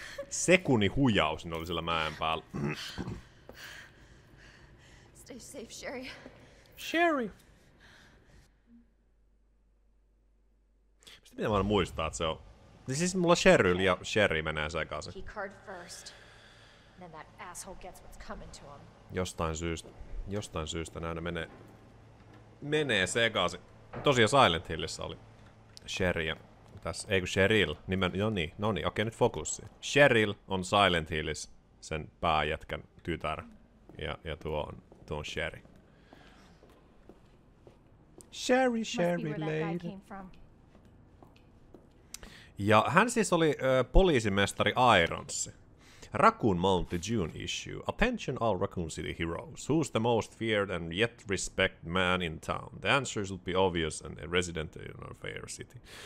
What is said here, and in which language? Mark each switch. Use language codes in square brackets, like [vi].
[fi] Sekunnin huijaus ne oli siellä mäen päällä. [en] Stay safe, Sherry. Sherry! [fi] Mistä pitää vaan muistaa, että se on... Niin siis mulla Sherry ja Sherry menee sekaisin. [en] Key card first, then that asshole gets what's coming to him. [fi] Jostain syystä näin menee sekaisin. Tosiaan Silent Hillissä oli Sherry ja... Tässä, ei kun Cheryl, no niin, okei, nyt fokussi. Cheryl on Silent Hillis, sen pääjätkän tytär. Ja tuo on Sherry. [en] Sherry, Sherry, lady. [fi] Ja hän siis oli poliisimestari Irons. [en] Raccoon Mountain June issue. Attention all Raccoon City heroes. Who's the most feared and yet respected man in town? The answer should be obvious and a resident in a fair city.